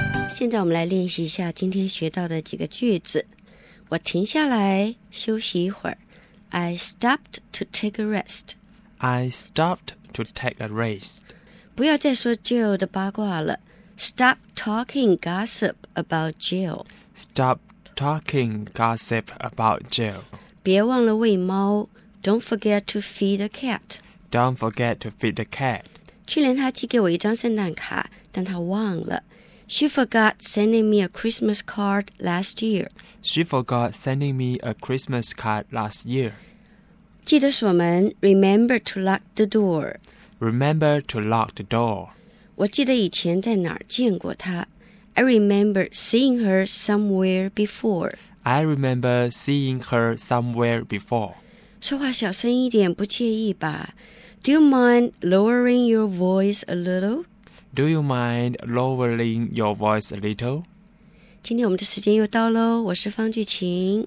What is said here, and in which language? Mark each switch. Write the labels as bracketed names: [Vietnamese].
[Chinese] 现在我们来练习一下今天学到的几个句子。我停下来休息一会儿。 [English] I stopped to take a rest. I stopped to take a rest. [Chinese] 不要再说 Jill 的八卦了。 [English] Stop talking gossip about Jill. Stop talking gossip about Jill. [Chinese] 别忘了喂猫。 [English] Don't forget to feed the cat. Don't forget to feed the cat. [Chinese] 去年她寄给我一张圣诞卡，但她忘了。 [English] She forgot sending me a Christmas card last year. She forgot sending me a Christmas card last year. [Chinese] 记得锁门。 [English] Remember to lock the door. Remember to lock the door. [Chinese] 我记得以前在哪儿见过她。 [English] I remember seeing her somewhere before. I remember seeing her somewhere before. [Chinese] 说话小声一点，不介意吧？ [English] Do you mind lowering your voice a little? Do you mind lowering your voice a little? [Chinese] 今天我们的时间又到咯，我是方巨琴，